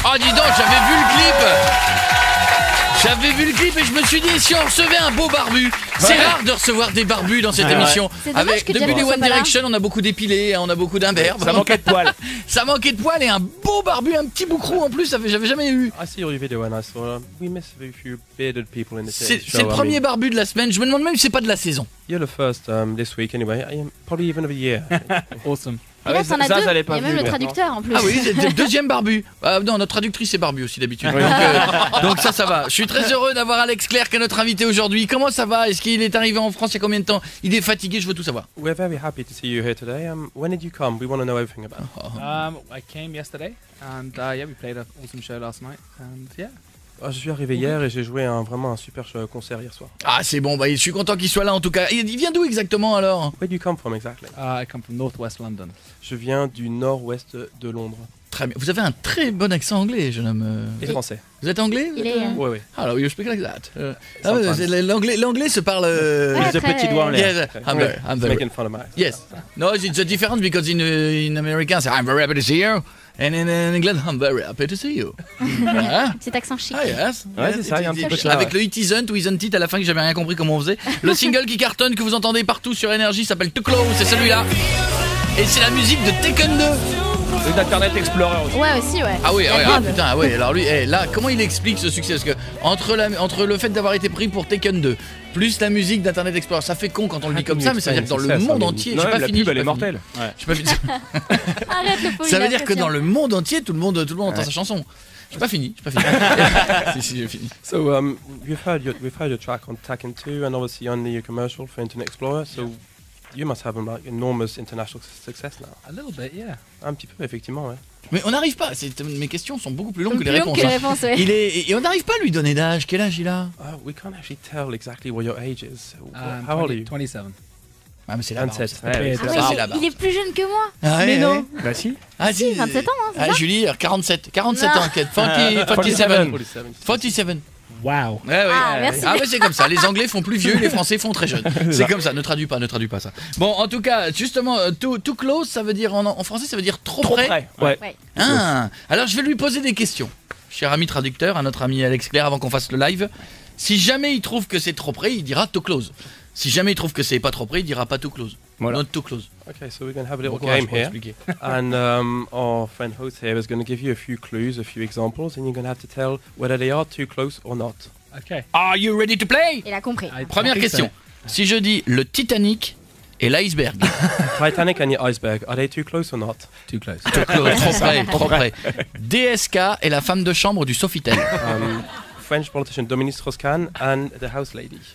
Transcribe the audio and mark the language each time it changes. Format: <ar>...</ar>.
<fr>Oh, dis donc, j'avais vu le clip. J'avais vu le clip et je me suis dit, si on recevait un beau barbu, c'est rare de recevoir des barbus dans cette émission. C'est avec, que depuis les One Direction, on a beaucoup d'épilé, on a beaucoup d'imberbes. Ça manquait de poils. Ça manquait de poils et un beau barbu, un petit boucrou en plus, j'avais jamais eu.</fr> <en>I see your video and I saw we miss a few bearded people in the city.</en> <fr>C'est le premier barbu de la semaine, je me demande même si c'est pas de la saison.</fr> <en>You're the first this week anyway, probably even of a year. Awesome.</en> <fr>Ah ouais, ça, deux. Ça allait pas. Il y a même le traducteur en plus. Ah oui, c'est le deuxième barbu. Non, notre traductrice est barbu aussi d'habitude. Oui. Donc ça va. Je suis très heureux d'avoir Alex Clerc qui est notre invité aujourd'hui. Comment ça va? Est-ce qu'il est arrivé en France il y a combien de temps? Il est fatigué, je veux tout savoir.</fr> <en>We're very happy to see you here today. When did you come? We want to know everything about. I came yesterday and yeah, we played an awesome show last night and yeah.</en> <fr>Je suis arrivé hier et j'ai joué vraiment un super concert hier soir. Ah, c'est bon, bah, je suis content qu'il soit là en tout cas. Il vient d'où exactement alors?</fr> <en>Where do you come from exactly? I come from northwest London.</en> <fr>Je viens du nord-ouest de Londres. Très bien. Vous avez un très bon accent anglais, jeune homme. Et français. Vous êtes anglais? Oui, oui. Alors,</fr> <en>you speak like that.</en> <fr>L'anglais se parle. Les petits doigts en l'air.</fr> <en>I'm making fun of my. Yes. No, it's a difference because in American, say, I'm very happy to see you. And in England, I'm very happy to see you.</en> <fr>Petit accent chic.</fr> <en>Ah, yes.</en> <fr>Ouais, c'est ça, il y a un petit peu ça. Avec le It Isn't ou Isn't It à la fin, que j'avais rien compris comment on faisait. Le single qui cartonne, que vous entendez partout sur Énergie, s'appelle Too Close, c'est celui-là. Et c'est la musique de Tekken 2. C'est d'Internet Explorer aussi. Ouais, aussi, ouais. Ah, oui, ouais, ah, putain, ouais. Alors lui, là, comment il explique ce succès? Parce que entre le fait d'avoir été pris pour Tekken 2, plus la musique d'Internet Explorer, ça fait con quand on le dit comme ça, mais ça veut dire que dans le monde entier, non, pas la fini, pub, elle est mortelle. Je suis pas fini. Arrête le pauvre. Ça veut dire que dans le monde entier, tout le monde entend sa chanson. Je suis pas fini, Si, j'ai fini.</fr> <en>So, we've heard your track on Tekken 2 and obviously only your commercial for Internet Explorer. So, you must have an enormous international success now. A little bit, yeah.</en> <fr>Un petit peu, effectivement, ouais. Mais on n'arrive pas, mes questions sont beaucoup plus longues que les réponses. Ouais. Il est, et on n'arrive pas à lui donner d'âge, quel âge il a?</fr> <en>We can't actually tell exactly what your age is. How old are you? 27.</en> <fr>Ah, mais c'est la barre. Il est plus jeune que moi. Ah, mais non. Bah si. Ah si, 27 ans, hein, c'est ça? Julie, 47 ans. Wow. Ouais, ouais, ah, merci. Ah ouais, c'est comme ça. Les Anglais font plus vieux, les Français font très jeunes. C'est comme ça. Ne traduis pas ça. Bon, en tout cas, justement, too close, ça veut dire en français, ça veut dire trop près. Trop près. Ouais. Ah. Alors, je vais lui poser des questions, cher ami traducteur, à notre ami Alex Clerc, avant qu'on fasse le live. Si jamais il trouve que c'est trop près, il dira too close. Si jamais il trouve que c'est pas trop près, il dira pas too close. Voilà.</fr> <en>Not too close. Okay, so we're gonna have a little game here, and our friend host here is gonna give you a few clues, a few examples, and you're gonna have to tell whether they are too close or not. Okay. Are you ready to play?</en> <fr>Il a compris. Première question. Si je dis le Titanic et l'iceberg.</fr> <en>Titanic and the iceberg. Are they too close or not? Too close. Too close.</en> <fr>Trop près. Trop près. DSK et la femme de chambre du Sofitel.</fr> <en>French politician Dominique Strauss-Kahn and the house lady.</en>